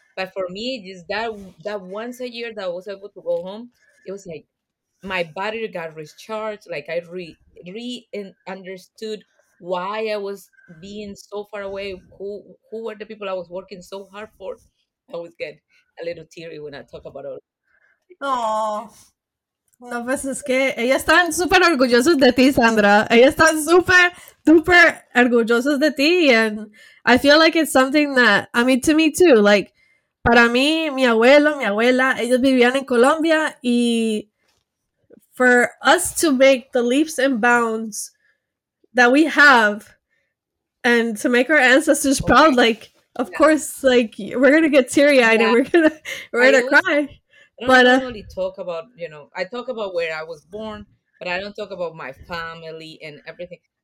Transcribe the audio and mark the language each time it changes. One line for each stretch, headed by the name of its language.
English: But for me, just that once a year that I was able to go home, it was like my body got recharged. Like, I re-understood why I was being so far away, who were the people I was working so hard for. I always get a little teary when I talk about it. Aww.
Spanish: No, pues es que ellos están súper orgullosos de ti, Sandra. Ellos están súper, súper orgullosos de ti.
English: And I feel like it's something that, I mean, to me too.
Spanish: Like, para mí, mi abuelo, mi abuela, ellos vivían en Colombia.
English: Y for us to make the leaps and bounds that we have and to make our ancestors proud, like, of course, like, we're going to get teary-eyed and we're going to cry. I don't really talk about, you know, I talk about where I was born, but I don't talk about my family and everything.